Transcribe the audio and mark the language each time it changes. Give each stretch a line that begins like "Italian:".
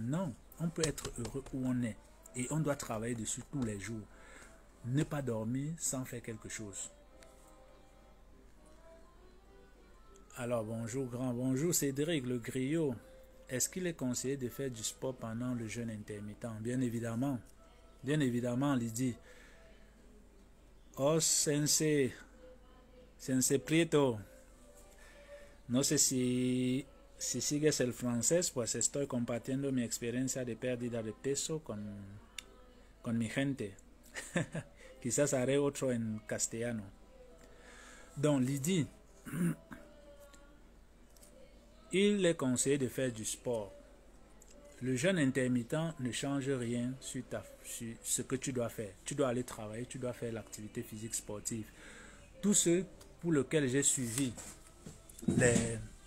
French: Non, on peut être heureux où on est et on doit travailler dessus tous les jours. Ne pas dormir sans faire quelque chose. Alors bonjour grand, bonjour Cédric le griot. Est-ce qu'il est conseillé de faire du sport pendant le jeûne intermittent? Bien évidemment, Lydie.
Spanish: Oh, sensei Prieto, no sé si sigues el francés, pues estoy compartiendo mi experiencia de pérdida de peso con mi gente. Quizás haré otro en castellano.
French: Donc, Lydie, il est conseillé de faire du sport. Le jeûne intermittent ne change rien sur ce que tu dois faire. Tu dois aller travailler, tu dois faire l'activité physique sportive. Tous ceux pour lesquels j'ai suivi les.